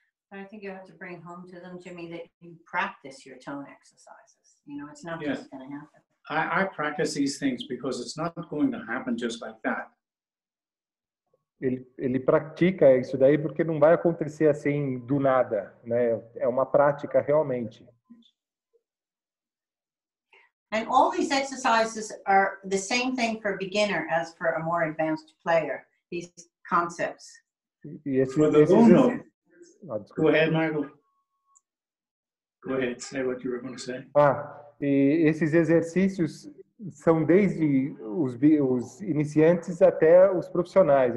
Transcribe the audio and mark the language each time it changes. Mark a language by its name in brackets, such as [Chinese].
[English] I think you have to bring home to them, Jimmy, that you practice your tone exercises. You know, it's not just going to happen. I practice these things because it's not going to happen just like that. [Portuguese] Ele pratica isso daí porque não vai acontecer assim do nada, né? É uma prática realmente. [English] And all these exercises are the same thing for a beginner as for a more advanced player, these concepts. Go ahead, Michael. Go ahead, say what you were going to say. [Portuguese] Ah, e esses exercícios são desde os iniciantes até os profissionais.